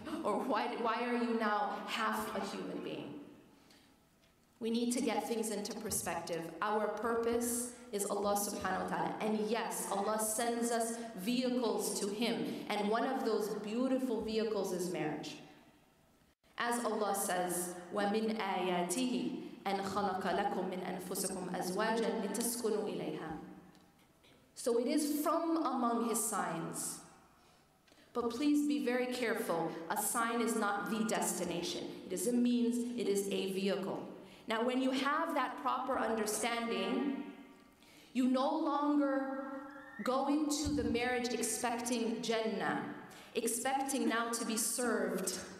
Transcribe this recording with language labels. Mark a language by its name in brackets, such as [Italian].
[English] Or why are you now half a human being? We need to get things into perspective. Our purpose is Allah subhanahu wa ta'ala. And yes, Allah sends us vehicles to Him. And one of those beautiful vehicles is marriage. As Allah says, [Arabic] وَمِنْ آيَاتِهِ أَنْ خَلَقَ لَكُمْ مِنْ أَنفُسِكُمْ أَزْوَاجًا لِتَسْكُنُوا إِلَيْهَا. [English] So it is from among His signs. But please be very careful. A sign is not the destination. It is a means, it is a vehicle. Now, when you have that proper understanding, you no longer go into the marriage expecting Jannah, expecting now to be served.